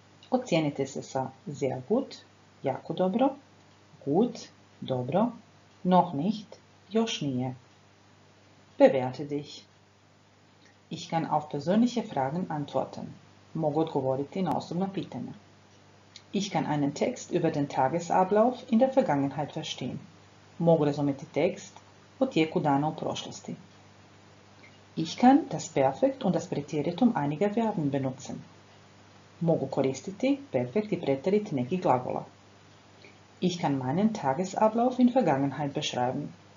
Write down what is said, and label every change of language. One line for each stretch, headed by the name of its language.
Croatian: Ocijenite se sa
German: sehr gut,
Croatian: jako dobro,
German: gut,
Croatian: dobro,
German: noch nicht,
Croatian: još nije.
German: Bewerte dich. Ich kann auf persönliche Fragen antworten.
Croatian: Mogu odgovoriti na osobna pitanja.
German: Ich kann einen Text über den Tagesablauf in der Vergangenheit verstehen.
Croatian: Mogu razumjeti tekst o tijeku dana u prošlosti.
German: Ich kann das Perfekt und das Präteritum einiger Verben benutzen.
Croatian: Mogu koristiti Perfekt i Präterit nekih glagola.
German: Ich kann meinen Tagesablauf in Vergangenheit beschreiben.